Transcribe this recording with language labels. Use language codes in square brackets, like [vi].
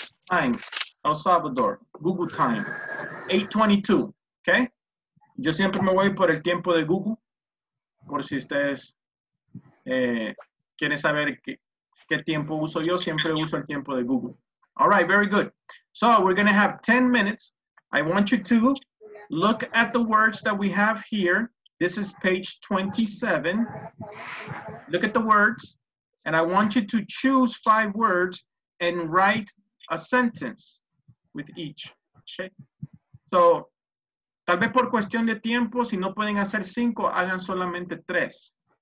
[en] Time, El Salvador, Google time, 8:22, okay? [es] Yo siempre me voy por el tiempo de Google, por si ustedes quieren saber qué tiempo uso yo, siempre uso el tiempo de Google. [en] All right, very good. So, we're going to have 10 minutes. I want you to look at the words that we have here. This is page 27. Look at the words, and I want you to choose 5 words and write a sentence with each. Okay. [es] So, tal vez por cuestión de tiempo, si no pueden hacer 5, hagan solamente 3.